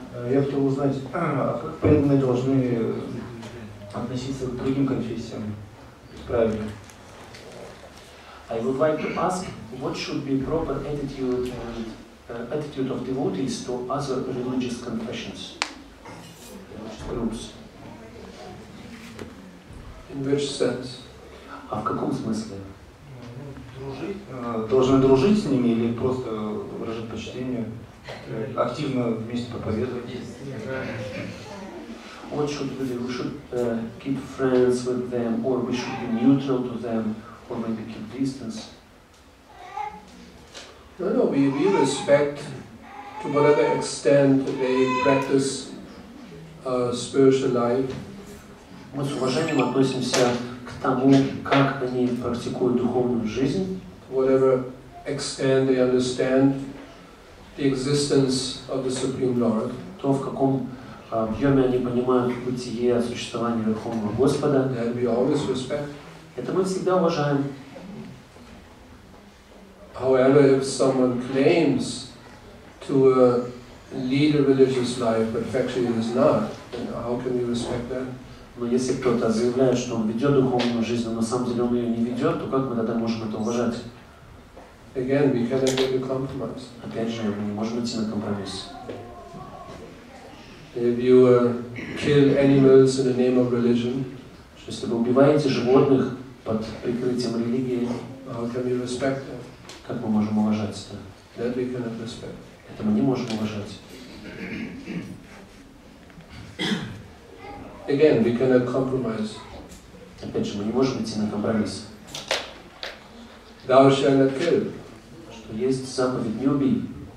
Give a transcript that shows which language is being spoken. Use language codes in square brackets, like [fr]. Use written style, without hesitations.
[ru] Я хотел узнать, как преданные должны относиться к другим конфессиям правильно? [en] I would like to ask, what should be proper attitude and attitude of devotees to other religious confessions, religious groups? In which sense? [ru] А в каком смысле? Дружить, должны дружить с ними или просто выражать почтение, активно вместе проповедовать? [en] Yes. What should we do? We should keep friends with them, or we should be neutral to them, or maybe keep distance? No, we respect to whatever extent they practice spiritual life. [ru] Мы с уважением относимся к тому, как они практикуют духовную жизнь. [en] Whatever extent they understand the existence of the Supreme Lord. [ru] То, в каком объеме они понимают бытие, существование Верховного Господа. [en] That we always respect. [ru] Это мы всегда уважаем. [en] However, if someone claims to lead a religious life, but actually is not, then how can we respect that? [ru] Но если кто-то заявляет, что он ведет духовную жизнь, но на самом деле он ее не ведет, то как мы тогда можем это уважать? [en] Again, we cannot make a compromise. [ru] Опять же, мы не можем идти на компромисс. [en] If you kill animals in the name of religion, [ru] что если вы убиваете животных под прикрытием религии, [en] how can we respect that? [ru] Как мы можем уважать это? [en] That we cannot respect. [ru] Это мы не можем уважать. [en] Again, we cannot compromise. [ru] Опять же, мы не можем идти на компромисс. [en] Thou shalt not kill. [ru] Что есть заповедь, не убий.